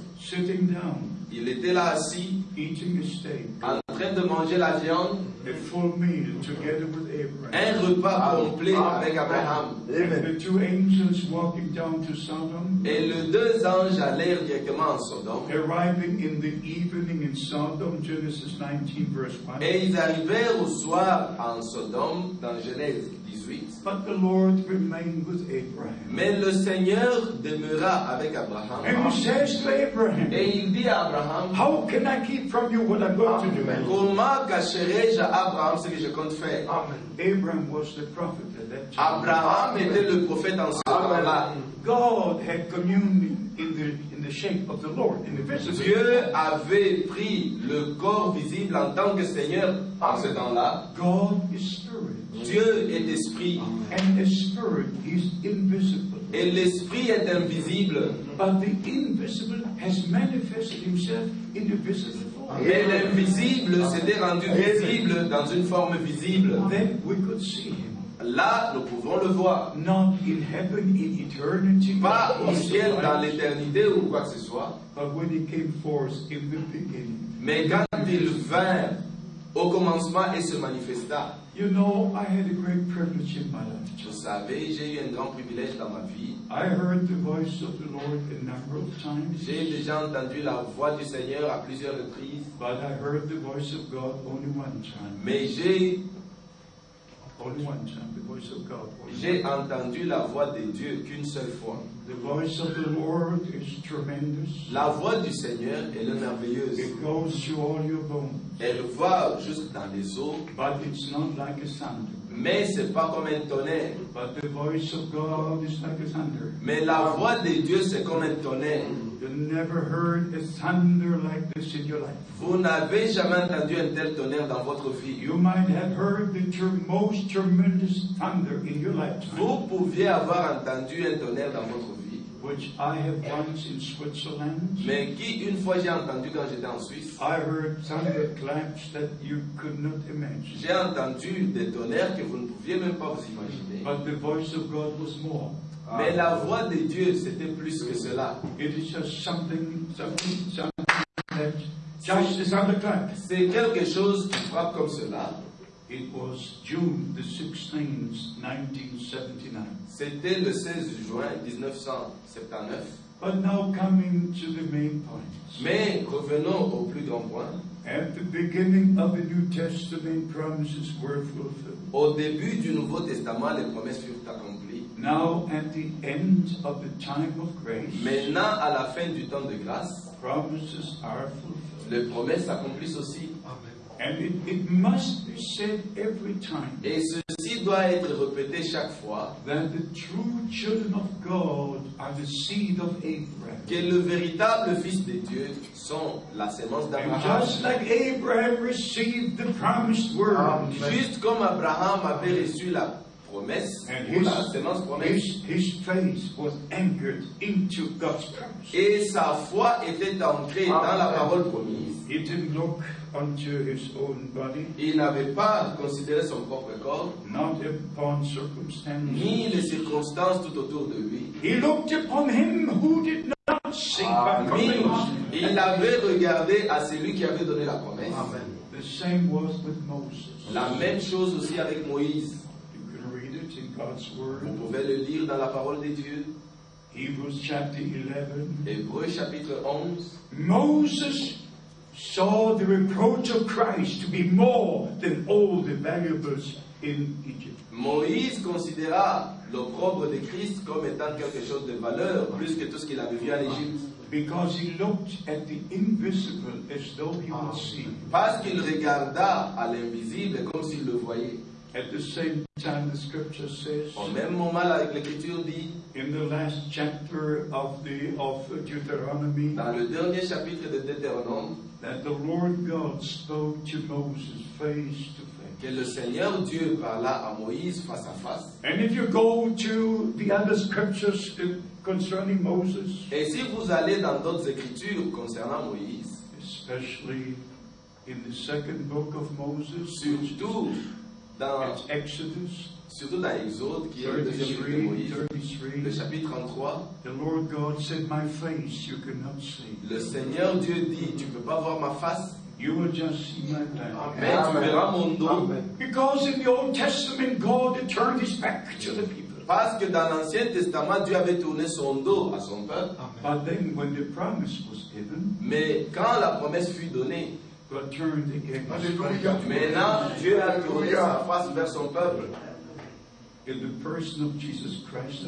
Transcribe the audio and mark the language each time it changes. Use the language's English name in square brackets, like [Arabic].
[English] Sitting down. [French] Il était là assis. [English] Eating a steak. [French] En train de manger la viande. [English] A full meal together with Abraham. [French] Un repas complet avec Abraham. [English] And the two angels walking down to Sodom. [French] Et les deux anges allèrent directement en Sodome. [English] Arriving in the evening in Sodom, Genesis 19, verse 1. [French] Et ils arrivèrent au soir en Sodome, dans Genèse 18. [English] But the Lord remained with Abraham. [French] Mais le Seigneur demeura avec Abraham. [English] And he says to Abraham. [French] Et il dit à Abraham. [English] How can I keep from you what I'm going to do? [French] Comment cacherai-je à Abraham ce que je compte faire? [English] Abraham was the prophet at that time. [French] Abraham était le prophète en ce temps-là. [English] God had communion in the shape of the Lord in the visible. [French] Dieu avait pris le corps visible en tant que Seigneur en ce temps-là. [English] God is spirit. [French] Dieu est esprit. [English] And the spirit is invisible. [French] Et l'esprit est invisible. [English] But the invisible has manifested himself in the visible. [French] Mais l'invisible s'était rendu visible dans une forme visible. [English] Then we could see him. [French] Là, nous pouvons le voir. [English] Not in heaven, in eternity, [French] pas au ciel, dans l'éternité ou quoi que ce soit. [English] But when he came forth in the beginning, [French] mais quand il vint au commencement et se manifesta. [English] You know, I had a great privilege in my life. [French] Vous savez, j'ai eu un grand privilège dans ma vie. [English] I heard the voice of the Lord a number of times. [French] J'ai déjà entendu la voix du Seigneur à plusieurs reprises. [English] But I heard the voice of God only one time. [French] Mais j'ai [English] only one time, the voice of God. [French] J'ai entendu la voix de Dieu qu'une seule fois. [English] The voice of the Lord is tremendous. [French] La voix du Seigneur est merveilleuse. [English] It goes through all your bones. [French] Elle va juste dans les os. [English] But it's not like a sound. [French] Mais ce n'est pas comme un tonnerre. [English] But the voice of God is like a thunder. [French] Mais la voix de Dieu, c'est comme un tonnerre. [English] You never heard a thunder like this in your life. [French] Vous n'avez jamais entendu un tel tonnerre dans votre vie. [English] You might have heard the most tremendous thunder in your life. [French] Vous pouviez avoir entendu un tonnerre dans votre vie. [English] Which I have once in Switzerland. [French] Mais qui une fois j'ai entendu quand j'étais en Suisse. [English] I heard thunder claps that you could not imagine. [French] J'ai entendu des tonnerres que vous ne pouviez même pas vous imaginer. [English] But the voice of God was more. [French] Mais la voix de Dieu, c'était plus que cela. [English] It is just something that just the sound of clap. [French] C'est quelque chose qui frappe comme cela. [English] It was June the 16th, 1979. [French] C'était le 16 juin 1979. [English] But now coming to the main point. [French] Mais revenons au plus grand point. [English] At the beginning of the New Testament, promises were fulfilled. [French] Au début du Nouveau Testament, les promesses furent accomplies. [English] Now at the end of the time of grace. [French] Maintenant à la fin du temps de grâce. [English] Promises are fulfilled. [French] Les promesses s'accomplissent aussi. Amen. [English] And it must be said every time. [French] Et ceci doit être répété chaque fois. [English] That the true children of God are the seed of Abraham. [French] Que le véritable fils de Dieu sont la semence d'Abraham. [English] And just like Abraham received the promised word. [French] Amen. Juste comme Abraham avait reçu la promesse, [English] and [French] ou la semence promise. [English] His faith was anchored into God's promise. [French] Et sa foi était ancrée Amen. Dans la parole promise. [English] He didn't look unto his own body. [French] Il n'avait pas considéré son propre corps. [English] Not upon circumstances. [French] Ni les circonstances tout autour de lui. [English] He looked upon him who did not sink by promise. [French] Il avait regardé à celui qui avait donné la promesse. [English] Amen. The same was with Moses. [French] La même chose aussi avec Moïse. [English] You can read it in God's word. [French] Vous pouvez le lire dans la parole de Dieu. [English] Hebrews chapter 11. [French] Hébreux chapitre 11. [English] Moses saw the reproach of Christ to be more than all the valuables in Egypt. [French] Moïse considéra l'opprobre de Christ comme étant quelque chose de valeur plus que tout ce qu'il avait vu en Égypte. [English] Because he looked at the invisible as though he was seen. [French] Parce qu'il regarda à l'invisible comme s'il le voyait. [English] At the same time, the scripture says. [French] Au même moment, l'écriture dit. [English] In the last chapter of Deuteronomy. [French] Dans le dernier chapitre de Deutéronome. [English] That the Lord God spoke to Moses face to face. [French] Que le Seigneur Dieu parla à Moïse face à face. [English] And if you go to the other scriptures concerning Moses. [French] Et si vous allez dans d'autres écritures concernant Moïse. [English] Especially in the second book of Moses. [French] Surtout. [English] Dans Exodus, [French] surtout dans Exode, qui est le deuxième livre de Moïse, [English] 33, [French] le chapitre 33, [English] the Lord God said, "My face you cannot see." [French] Le Seigneur Dieu dit, tu ne peux pas voir ma face. [English] You will just see my back. [French] Amen. Tu verras mon dos. Amen. [English] Because in the Old Testament, God had turned his back to the people. [French] Parce que dans l'Ancien Testament, Dieu avait tourné son dos à son peuple. [English] But then, when the promise was given, [French] mais quand la promesse fut donnée, [English] but turned [French] against maintenant, Dieu a tourné sa face vers son peuple. [English] In the person of Jesus Christ,